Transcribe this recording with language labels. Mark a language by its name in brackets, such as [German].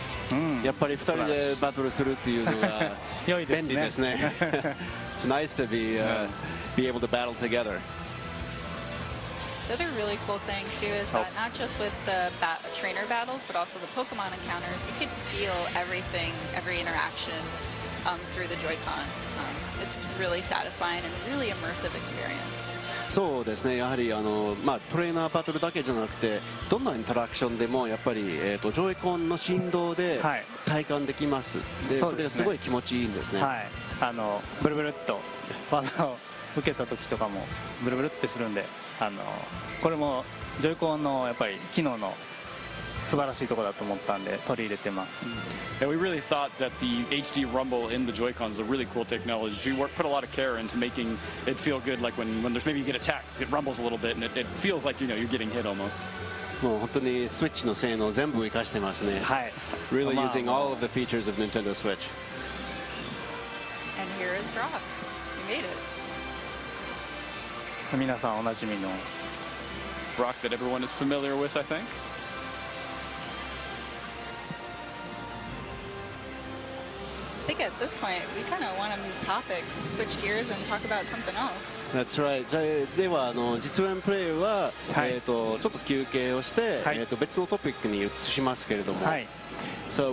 [Japanese] Mm. やっぱり二人でバトルするっていうのが良いですね。便利ですね。 [English] It's nice to be able to battle together. The other really cool thing too is that not just with the trainer battles, but also the Pokemon encounters, you could feel everything, every interaction. Through the Joy-Con. It's really satisfying and really immersive experience. [Japanese] そうですね、やはりあの、まあ、トレーナーバトルだけじゃなくてどんなインタラクションでもやっぱり、ジョイコンの振動で体感できます、はい、で、それがすごい気持ちいいんですね。はい、あのブルブルっと技を受けた時とかもブルブルってするんで、あのこれもジョイコンのやっぱり機能の素晴らしいところだと思ったんで取り入れてます。 [English] And we really thought that the HD rumble in the Joy-Cons is a really cool technology. We put a lot of care into making it feel good, like when there's maybe you get attacked, it rumbles a little bit and it feels like, you know, you're getting hit almost. [Japanese] もう本当にスイッチの性能全部生かしてますね。はい。 [English] Really using all of the features of Nintendo Switch. And here is Brock. You made it. [Japanese] 皆さんおなじみの [English] Brock that everyone is familiar with, I think. I think at this point we kind of want to move topics, switch gears and talk about something else. That's right. [Japanese] じゃあ、ではあの実演プレイは、はい、ちょっと休憩をして、はい、別のトピックに移しますけれども。はい。So